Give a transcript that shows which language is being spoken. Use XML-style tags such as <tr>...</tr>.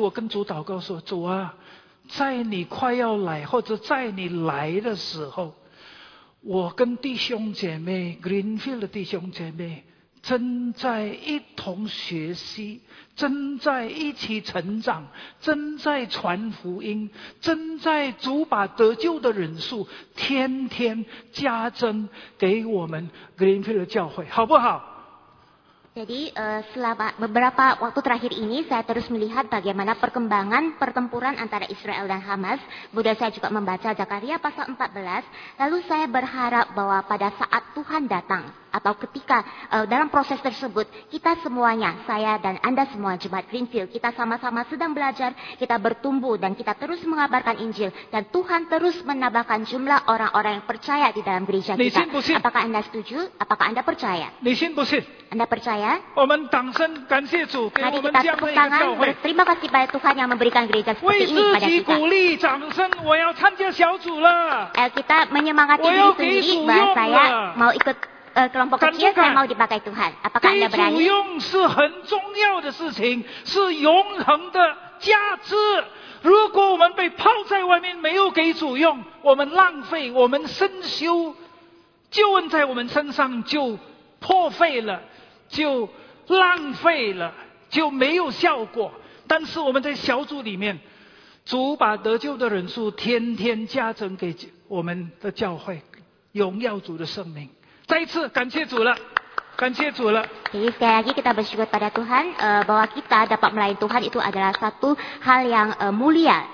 <id>Saya</id> <zh>看以色列一直跟哈马斯一直在打，那个中东的紧张影响全世界的局势。那我再度加撒加利亚书第14章，我很怕，所以我跟主祷告说：主啊， 在你快要来或者在你来的时候，我跟弟兄姐妹 Greenfield 的弟兄姐妹正在一同学习，正在一起成长，正在传福音，正在主把得救的人数天天加增给我们 Greenfield 教会，好不好？</zh> <id>Jadi selama beberapa waktu terakhir ini saya terus melihat bagaimana perkembangan pertempuran antara Israel dan Hamas. Kemudian saya juga membaca Zakaria pasal 14. Lalu saya berharap bahwa pada saat Tuhan datang atau ketika dalam proses tersebut, kita semuanya, saya dan Anda semua jemaat Greenfield, kita sama-sama sedang belajar, kita bertumbuh dan kita terus mengabarkan Injil. Dan Tuhan terus menambahkan jumlah orang-orang yang percaya di dalam gereja kita.</id> <zh>]你信不信?</zh> <id>Apakah Anda setuju? Apakah Anda percaya?</id> <zh>]你信不信?</zh> <id>Anda percaya? Mari kita tepuk tangan, berterima kasih pada Tuhan yang memberikan gereja seperti ini pada kita.</id> <zh>鼓励, 掌声, 我要参加小组了.</zh> <id>Kita menyemangati diri sendiri bahwa saya mau ikut kelompok kecil, saya mau dipakai Tuhan. Apakah Anda berani?</id> <zh>给主用是很重要的事情, 是永恒的价值。如果我们被抛在外面, 没有给主用, 我们浪费, 我们生修, 救恩在我们身上就破费了，就浪费了，就没有效果。但是我们在小组里面，主把得救的人数天天加增给我们的教会，荣耀主的圣名。再一次感谢主了，感谢主了。</zh> <id>Jadi sekali lagi kita bersyukur pada Tuhan, bahwa kita dapat melayani Tuhan itu adalah satu hal yang mulia.</id>